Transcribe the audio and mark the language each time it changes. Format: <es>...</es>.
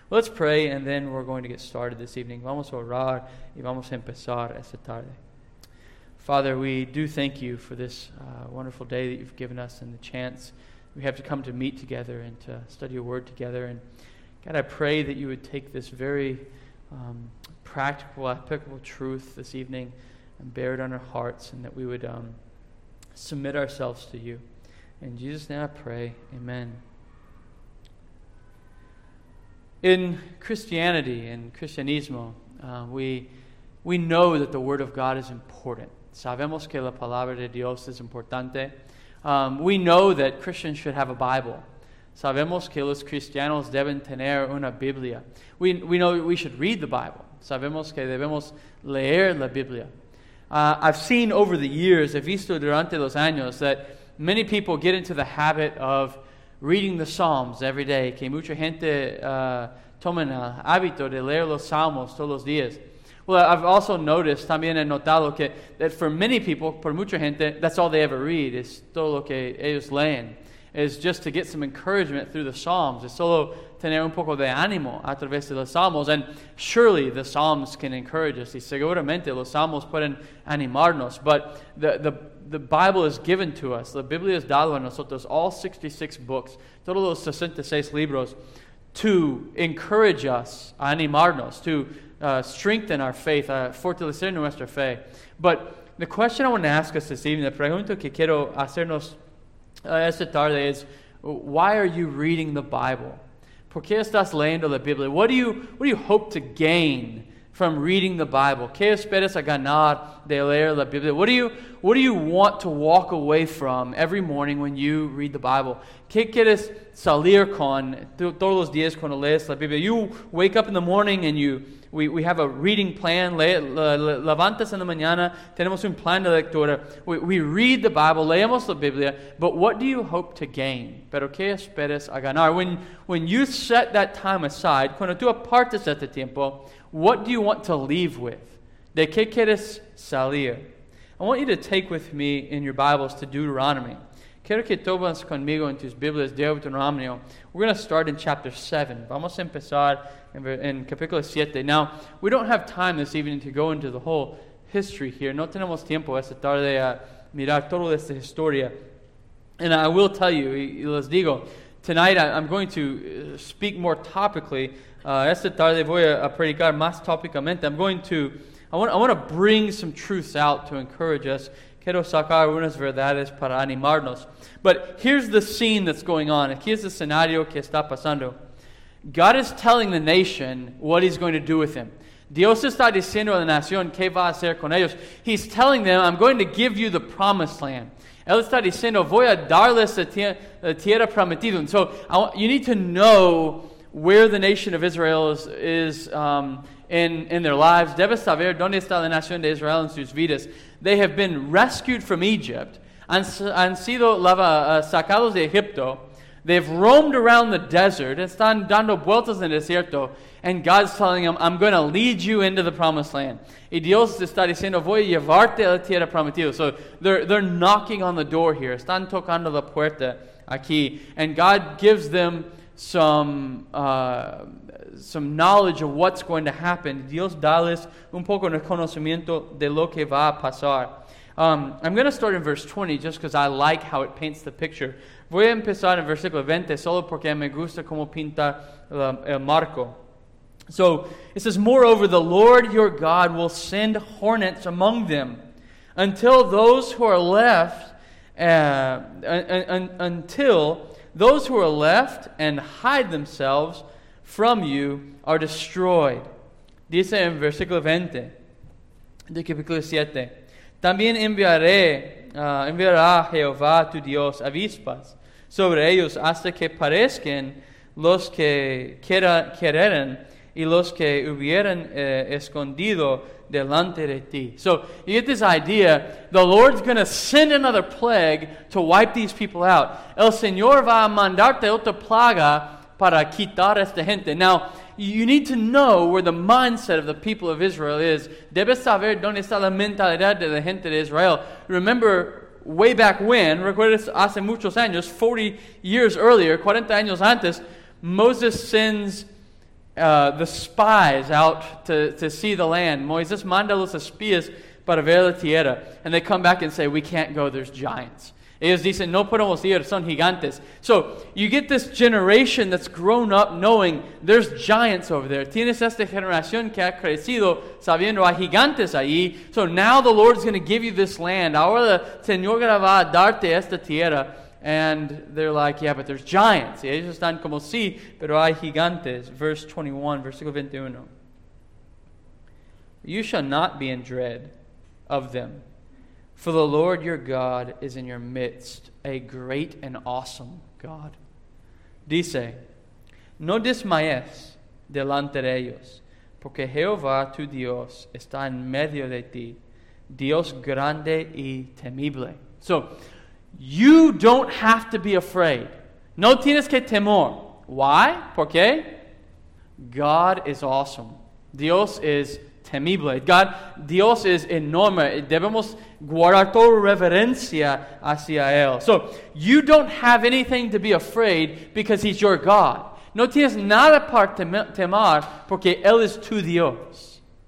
<en>Let's pray and then we're going to get started this evening.</en> <es>Vamos a orar y vamos a empezar esta tarde.</es> <en>Father, we do thank you for this wonderful day that you've given us and the chance we have to come to meet together and to study your word together. And God, I pray that you would take this very practical, applicable truth this evening and bear it on our hearts, and that we would submit ourselves to you. In Jesus' name I pray, amen. In Christianity, in Cristianismo, we know that the Word of God is important.</en> <es>Sabemos que la palabra de Dios es importante.</es> <en>We know that Christians should have a Bible.</en> <es>Sabemos que los cristianos deben tener una Biblia.</es> <en>We know we should read the Bible.</en> <es>Sabemos que debemos leer la Biblia.</es> <en>I've seen over the years,</en> <es>he visto durante los años,</es> <en>that many people get into the habit of reading the Psalms every day.</en> <es>Que mucha gente toma el hábito de leer los Salmos todos los días. Well, I've also noticed, también he notado que, that for many people, por mucha gente, that's all they ever read, es todo lo que ellos leen.</es> <en>Is just to get some encouragement through the Psalms.</en> <es>Es solo tener un poco de ánimo a través de los Salmos.</es> <en>And surely the Psalms can encourage us.</en> <es>Y seguramente los Salmos pueden animarnos.</es> <en>But the Bible is given to us.</en> <es>La Biblia es dado a nosotros.</es> <en>All 66 books.</en> <es>Todos los 66 libros.</es> <en>To encourage us.</en> <es>A animarnos.</es> <en>To strengthen our faith.</en> <es>A fortalecer nuestra fe.</es> <en>But the question I want to ask us this evening.</en> <es>La pregunta que quiero hacernos esta tarde</es> <en>is, why are you reading the Bible?</en> <es>¿Por qué estás leyendo la Biblia?</es> <en>What do you hope to gain from reading the Bible?</en> <es>¿Qué esperas a ganar de leer la Biblia?</es> <en>What do you want to walk away from every morning when you read the Bible?</en> <es>¿Qué quieres salir con todos los días cuando lees la Biblia?</es> <en>You wake up in the morning and we have a reading plan.</en> <es>Levantas en la mañana, tenemos un plan de lectura.</es> <en>We read the Bible,</en> <es>leemos la Biblia,</es> <en>but what do you hope to gain?</en> <es>¿Pero qué esperas a ganar?</es> <en>When you set that time aside,</en> <es>cuando tú apartas este tiempo,</es> <en>what do you want to leave with?</en> <es>¿De qué quieres salir?</es> <en>I want you to take with me in your Bibles to Deuteronomy.</en> <es>Quiero que tomes conmigo en tus Biblias Deuteronomio.</es> <en>We're going to start in chapter 7.</en> <es>Vamos a empezar en capítulo 7.</es> <en>Now, we don't have time this evening to go into the whole history here.</en> <es>No tenemos tiempo esta tarde a mirar toda esta historia.</es> <en>And I will tell you,</en> <es>y les digo,</es> <en>tonight I'm going to speak more topically.</en> <es>Esta tarde voy a predicar más tópicamente.</es> <en>I want to bring some truths out to encourage us.</en> <es>Quiero sacar unas verdades para animarnos.</es> <en>But here's the scene that's going on.</en> <es>Aquí es el escenario que está pasando.</es> <en>God is telling the nation what he's going to do with him.</en> <es>Dios está diciendo a la nación qué va a hacer con ellos.</es> <en>He's telling them, I'm going to give you the promised land.</en> <es>Él está diciendo, voy a darles la tierra prometida.</es> <en>And so you need to know where the nation of Israel is in their lives.</en> <es>Debes saber dónde está la nación de Israel en sus vidas.</es> <en>They have been rescued from Egypt.</en> <es>Han sido sacados de Egipto.</es> <en>They've roamed around the desert.</en> <es>Están dando vueltas en el desierto.</es> <en>And God's telling them, I'm going to lead you into the promised land.</en> <es>Y Dios está diciendo, voy a llevarte a la tierra prometida.</es> <en>So they're knocking on the door here.</en> <es>Están tocando la puerta aquí.</es> <en>And God gives them some knowledge of what's going to happen.</en> <es>Dios dales un poco de conocimiento de lo que va a pasar.</es> <en>I'm going to start in verse 20 just because I like how it paints the picture.</en> <es>Voy a empezar en versículo 20 solo porque me gusta cómo pinta el marco.</es> <en>So it says, moreover, the Lord your God will send hornets among them until those who are left until those who are left and hide themselves from you are destroyed.</en> <es>Dice en versículo 20 de capítulo 7. También enviará Jehová tu Dios avispas sobre ellos hasta que parezcan los que quereren y los que hubieran escondido delante de ti.</es> <en>So you get this idea, the Lord's going to send another plague to wipe these people out.</en> <es>El Señor va a mandarte otra plaga para quitar esta gente.</es> <en>Now, you need to know where the mindset of the people of Israel is.</en> <es>Debes saber dónde está la mentalidad de la gente de Israel.</es> <en>Remember, way back when,</en> <es>recuerdas hace muchos años,</es> <en>40 years earlier,</en> <es>40 años antes,</es> <en>Moses sends the spies out to see the land.</en> <es>Moisés manda los espías para ver la tierra.</es> <en>And they come back and say, we can't go, there's giants.</en> <es>Ellos dicen, no podemos ir, son gigantes.</es> <en>So you get this generation that's grown up knowing there's giants over there.</en> <es>Tienes esta generación que ha crecido sabiendo hay gigantes allí.</es> <en>So now the Lord's going to give you this land.</en> <es>Ahora el Señor va a darte esta tierra.</es> <en>And they're like, yeah, but there's giants.</en> <es>Y ellos están como, sí, pero hay gigantes.</es> <en>Verse 21,</en> <es>versículo 21.</es> <en>You shall not be in dread of them. For the Lord your God is in your midst, a great and awesome God.</en> <es>Dice, no desmayes delante de ellos, porque Jehová tu Dios está en medio de ti, Dios grande y temible.</es> <en>So, you don't have to be afraid.</en> <es>No tienes que temor. Why? ¿Por qué?</es> <en>God is awesome.</en> <es>Dios is temible. God, Dios es enorme. Debemos guardar toda reverencia hacia Él.</es> <en>So, you don't have anything to be afraid because He's your God.</en> <es>No tienes nada para temer porque Él es tu Dios.</es>